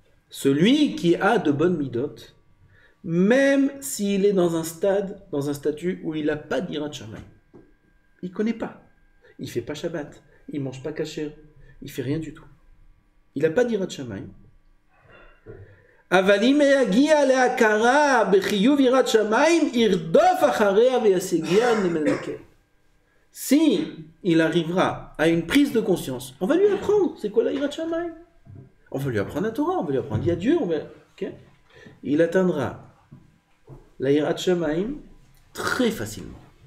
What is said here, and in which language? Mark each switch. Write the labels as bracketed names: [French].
[French] Celui qui a de bonnes midot, même s'il est dans un stade, dans un statut où il n'a pas d'irat shamayim, il ne connaît pas. Il ne fait pas shabbat. Il ne mange pas kasher. Il ne fait rien du tout. Il n'a pas d'irat shamayim. [Hebrew] אבל אם יגיע להכרה בחיוב יראת שמיים, ירדוף אחריה וישגיע למלכה. [French] Si il arrivera à une prise de conscience, on va lui apprendre c'est quoi la yirat shamayim. On va lui apprendre la Torah, on va lui apprendre à Dieu. Il atteindra la yirat shamayim très facilement.